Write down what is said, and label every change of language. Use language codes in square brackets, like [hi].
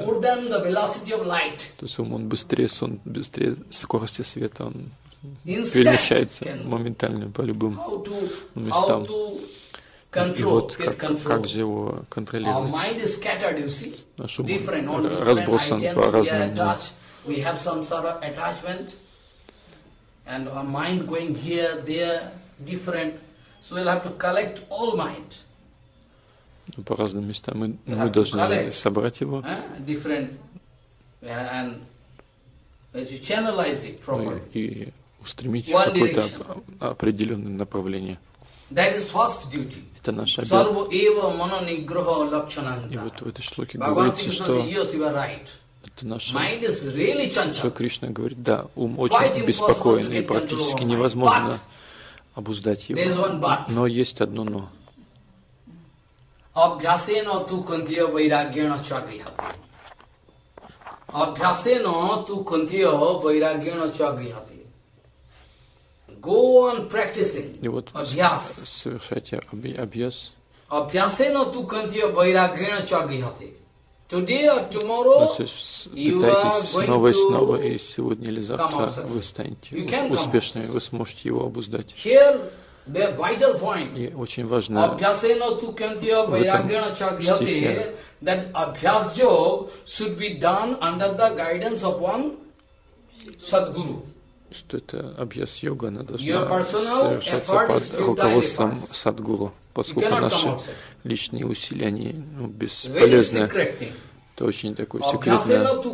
[ru] То есть ум, он быстрее, быстрее скорости света, он перемещается моментально по любым местам. И вот как же его контролировать? Наш ум разбросан по разным местам. [en] We have some sort of attachment, and our mind going here, there, different. So we'll have to collect all mind. [ru] По разным местам мы должны собрать его. [en] Different, and as you channelize it properly. [ru] И устремить в какое-то определенное направление. [en] That is first duty. [ru] Это наша обязанность. И вот в этой шлоке говорится, что это наше, что Кришна говорит, да, ум очень беспокоен и практически невозможно обуздать его. Но есть одно но. [sa] Абхясено ту кантия вайрагьяна чагрихати. Абхясено ту кантия вайрагьяна чагрихати. [en] Go on practicing. [ru] И вот совершайте абьяс. [sa] Абхясено ту кантия вайрагьяна чагрихати. [en] Today or tomorrow, you are going to come out [ru] снова и снова, и сегодня или завтра вы станете успешными, вы сможете его обуздать. [en] Here, the vital point. [ru] И очень важно в этом стихе, [en] that abhyas job should be done under the guidance of one sadguru. [ru] Что это абьяс йога, она должна совершаться под руководством садгуру. Поскольку наши личные усилия, они ну, бесполезны, это очень такое секретное.